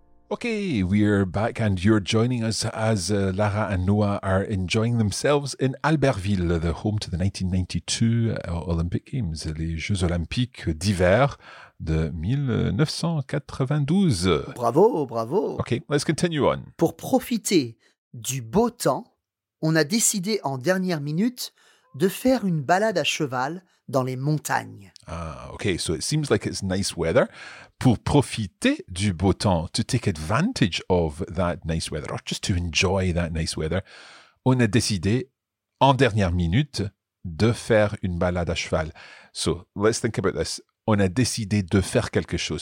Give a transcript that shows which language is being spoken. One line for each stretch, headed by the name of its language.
English: Okay, we're back and you're joining us as Lara and Noah are enjoying themselves in Albertville, the home to the 1992 Olympic Games,
French: les Jeux Olympiques d'hiver de 1992. Bravo, bravo.
English: Okay, let's continue on.
French: Pour profiter du beau temps, on a décidé en dernière minute de faire une balade à cheval dans les montagnes.
English: Ah, okay, so it seems like it's nice weather.
French: Pour profiter du beau temps,
English: to take advantage of that nice weather,
French: or just to enjoy that nice weather, on a décidé, en dernière minute, de faire une balade à cheval.
English: So, let's think about this.
French: On a décidé de faire quelque chose.